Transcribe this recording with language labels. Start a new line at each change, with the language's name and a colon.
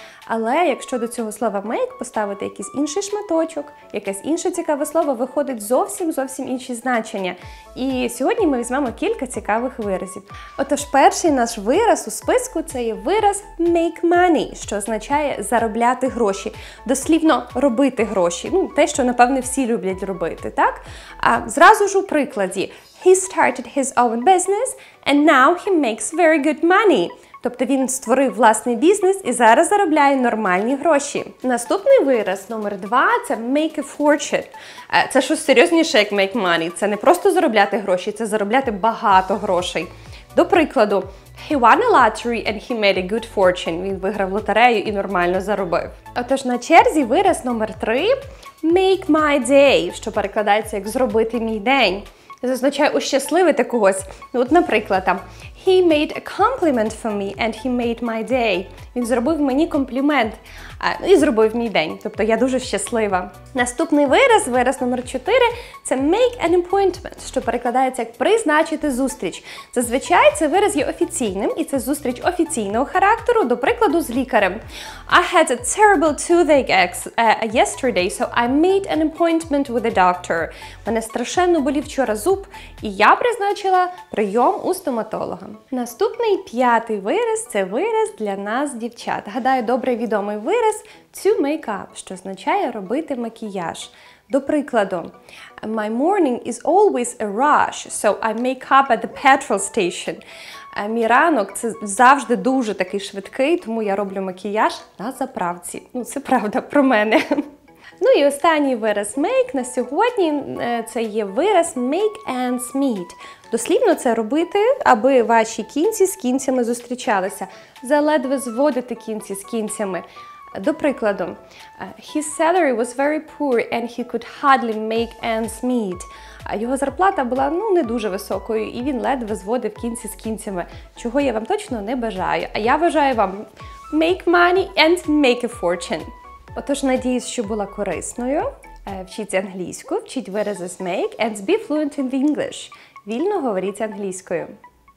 Ukrainian: Але якщо до цього слова «make» поставити якийсь інший шматочок, якесь інше цікаве слово, виходить зовсім-зовсім інші значення. І сьогодні ми візьмемо кілька цікавих виразів. Отож, перший наш вираз у списку – це є вираз «make money», що означає «заробляти гроші». Дослівно «робити гроші». Ну, те, що, напевне, всі люблять робити, так? А зразу ж у прикладі.
English: «He started his own business and now he makes very good money».
Ukrainian: Тобто він створив власний бізнес і зараз заробляє нормальні гроші. Наступний вираз, номер два, це make a fortune. Це щось серйозніше, як make money. Це не просто заробляти гроші, це заробляти багато грошей. До прикладу,
English: he won a lottery and he made a good fortune.
Ukrainian: Він виграв лотерею і нормально заробив. Отож, на черзі вираз номер три, make my day, що перекладається як зробити мій день. Це означає ущасливити когось. Ну, от, наприклад, там,
English: he made a compliment for me and he made my day.
Ukrainian: Він зробив мені комплімент і зробив мій день. Тобто я дуже щаслива. Наступний вираз, вираз номер 4, це make an appointment, що перекладається як призначити зустріч. Зазвичай цей вираз є офіційним і це зустріч офіційного характеру, до прикладу, з лікарем.
English: I had a terrible toothache yesterday, so I made an appointment with a doctor.
Ukrainian: Мене страшенно болів вчора зуб і я призначила прийом у стоматолога. Наступний, п'ятий вираз – це вираз для нас, дівчат. Гадаю, добре відомий вираз – to make up, що означає робити макіяж. До прикладу,
English: my morning is always a rush, so I make up at the petrol station.
Ukrainian: Мій ранок – це завжди дуже такий швидкий, тому я роблю макіяж на заправці. Ну, це правда про мене. Ну і останній вираз make на сьогодні – це є вираз make ends meet. Дослівно це робити, аби ваші кінці з кінцями зустрічалися. Заледве зводити кінці з кінцями. До прикладу,
English: his salary was very poor and he could hardly make ends meet.
Ukrainian: Його зарплата була, ну, не дуже високою і він ледве зводив кінці з кінцями. Чого я вам точно не бажаю. А я бажаю вам
English: make money and make a fortune.
Ukrainian: Отож, надіюсь, що була корисною. Вчіть англійську, вчіть вирази з make
English: and be fluent in the English.
Ukrainian: Вільно говоріть англійською.